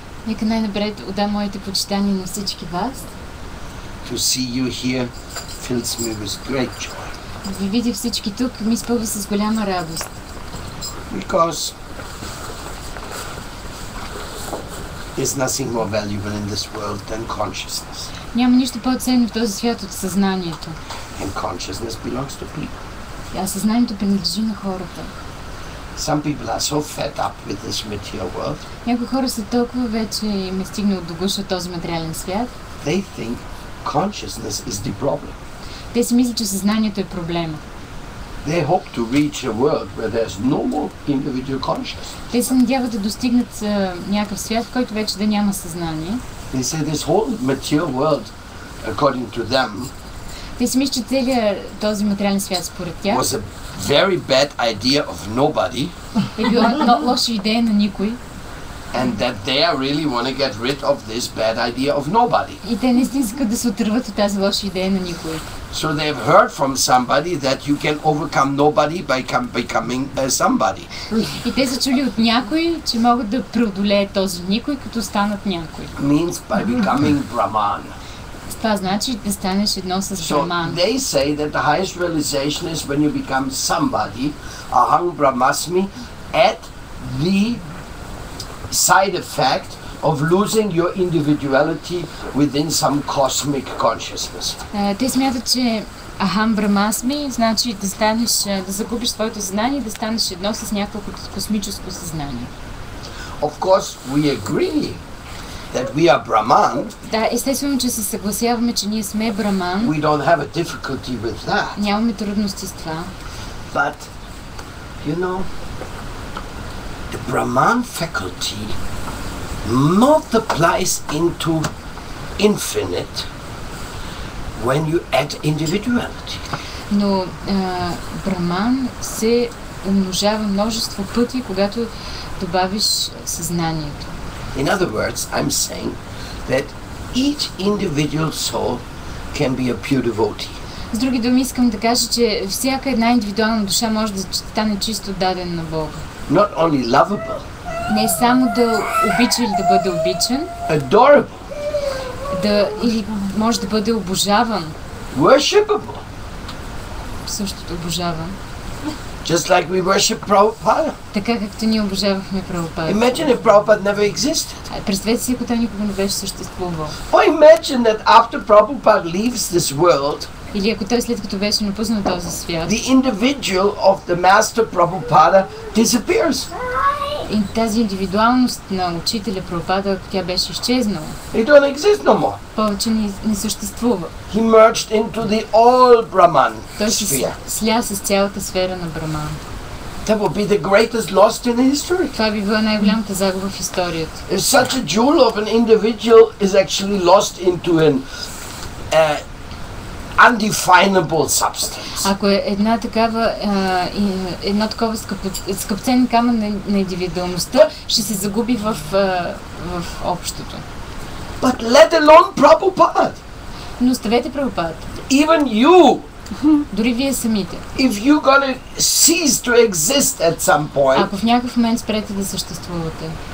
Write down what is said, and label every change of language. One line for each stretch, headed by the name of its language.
Bulgarian: Нека най-напред отдам моите почитания на всички вас.
English: To see you here fills me with great joy.
Bulgarian: Да ви видя всички тук ми изпълва с голяма радост.
English: Because there's nothing more valuable in this world than consciousness.
Bulgarian: Няма нищо по-ценно в този свят от съзнанието.
English: And consciousness belongs to people.
Bulgarian: И съзнанието принадлежи на хората.
English: Some people are so fed up with this material world.
Bulgarian: Някои хора са толкова вече ме стигнал до гуша този материален свят.
English: They think consciousness is the problem.
Bulgarian: Те си мислят, че съзнанието е проблема.
English: They hope to reach a world where there's no more individual consciousness.
Bulgarian: Те се надяват да достигнат някакъв свят, в който вече да няма съзнание.
English: They say this whole material world, according to them,
Bulgarian: те си мислят, че целият този материален свят според тях
English: was a very bad idea of nobody.
Bulgarian: Е била лоша идея на никой.
English: And that they really want to get rid of this bad idea of nobody.
Bulgarian: И те наистина искат да се отърват от тази лоша идея на никой.
English: So they have heard from somebody that you can overcome nobody by becoming somebody.
Bulgarian: И те са чули от някой, че могат да преодолеят този никой, като станат някой.
English: Means by becoming Brahman.
Bulgarian: Това значи да станеш едно с Брахман.
English: So they say that the highest realization is when you become somebody, aham brahmasmi, at the side effect of losing your individuality within some cosmic consciousness.
Bulgarian: Те смятат, че aham brahmasmi значи да станеш, да загубиш своето съзнание, да станеш едно с някакво космическо съзнание.
English: Of course we agree that we are Brahman.
Bulgarian: Да, естествено, че се съгласяваме, че ние сме Брахман.
English: We don't have a difficulty with that.
Bulgarian: Нямаме трудности с това.
English: But you know, the Brahman faculty multiplies into infinite when you add individuality.
Bulgarian: Но Брахман се умножава множество пъти, когато добавиш съзнанието.
English: In other words, I'm saying that each individual soul can be a pure devotee.
Bulgarian: С други думи, искам да кажа, че всяка една индивидуална душа може да стане чисто даден на Бога.
English: Not only lovable.
Bulgarian: Не само да обича или да бъде обичан.
English: Adorable.
Bulgarian: Да или може да бъде обожаван.
English: Worshipable.
Bulgarian: Същото обожаван.
English: Just like we worship Prabhupada.
Bulgarian: Така както ние обожавахме Прабхупада.
English: Imagine if Prabhupada never existed.
Bulgarian: Представете си, ако той никога не беше съществувал.
English: Or imagine that after Prabhupada leaves this world.
Bulgarian: Или ако той след като беше напуснал този свят.
English: The individual of the master Prabhupada disappears.
Bulgarian: И тази индивидуалност на учителя Прабхупада, тя беше изчезнала.
English: It don't exist no more.
Bulgarian: Повече не съществува.
English: He merged into the all Brahman sphere.
Bulgarian: Сля с цялата сфера на Брахман.
English: That would be the greatest loss in history.
Bulgarian: Това би била най-голямата загуба в историята.
English: If such a jewel of an individual is actually lost into an undefinable substance.
Bulgarian: Ако е една такава едно такова скъпоценен камък на индивидуалността, ще се загуби в общото.
English: But let alone Prabhupada.
Bulgarian: Но оставете Прабхупада.
English: Even you.
Bulgarian: Дори вие самите.
English: If you gonna cease to exist at some point.
Bulgarian: Ако в някакъв момент спрете да съществувате.